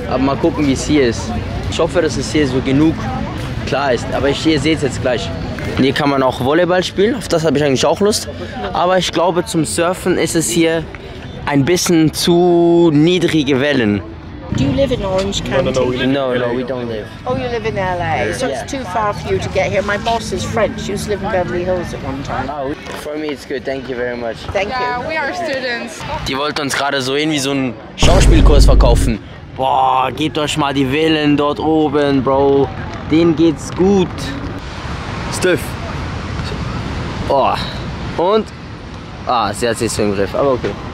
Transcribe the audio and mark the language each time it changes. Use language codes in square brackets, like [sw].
[de] Aber mal gucken, wie es hier ist. Ich hoffe, dass es hier so genug klar ist. Aber ihr seht es jetzt gleich. Hier kann man auch Volleyball spielen. Auf das habe ich eigentlich auch Lust. Aber ich glaube, zum Surfen ist es hier ein bisschen zu niedrige Wellen. [en] Do you live in Orange County? No, we don't live. Oh, you live in LA, so it's too far for you to get here. My boss is French, she used to live in Beverly Hills at one time. For me it's good, thank you very much. Thank you. Yeah, we are students. [de] Die wollten uns gerade so irgendwie so einen Schauspielkurs verkaufen. Boah, gebt euch mal die Villen dort oben, Bro. Denen geht's gut. Stiff. Boah. Und? Ah, sie hat sich so im Griff, aber okay.